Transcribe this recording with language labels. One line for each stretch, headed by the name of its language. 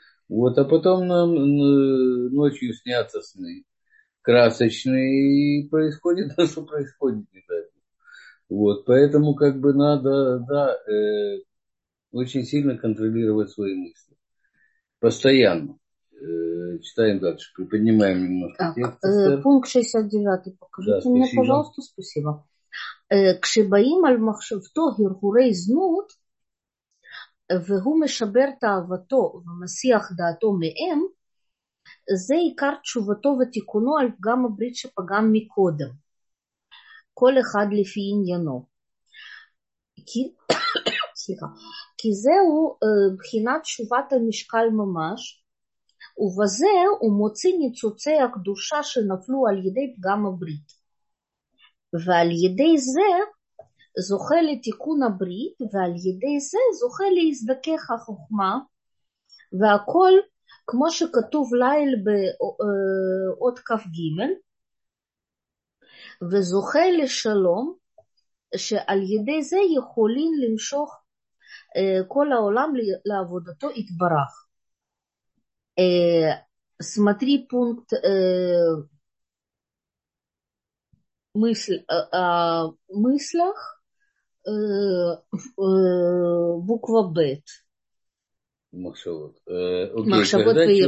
Russian: Вот, а потом нам ночью снятся сны красочные, и происходит то, что происходит. Вот, поэтому как бы надо, да, очень сильно контролировать свои мысли. Постоянно. Читаем дальше, приподнимаем немножко Так, текст, Эстер. пункт 69, Да, покажите мне, спасибо. пожалуйста, спасибо.
Hebrew: Кшебаим аль махшевто гиргурей знут, вегу мешабер таавато ומסיח דעתו מהם, זה עיקר תשובתו ותיקונו על פגם הברית שפגם מקודם. כל אחד לפי עניינו. סליחה. כי זהו בחינת תשובת המשקל ממש, ובזה הוא מוציא ניצוצי הקדושה שנפלו על ידי פגם הברית. ועל ידי זה זוכה לתיקון הברית, ועל ידי זה זוכה להזדכך החוכמה, והכל כמו שכתוב לעיל באות כ"ג, וזוכה לשלום, שעל ידי זה יכולים למשוך כל העולם לעבודתו יתברך.
Russian: Смотри пункт мысль о мыслях буква Бет. Окей,
Hebrew: Махшабот
Russian: когда человек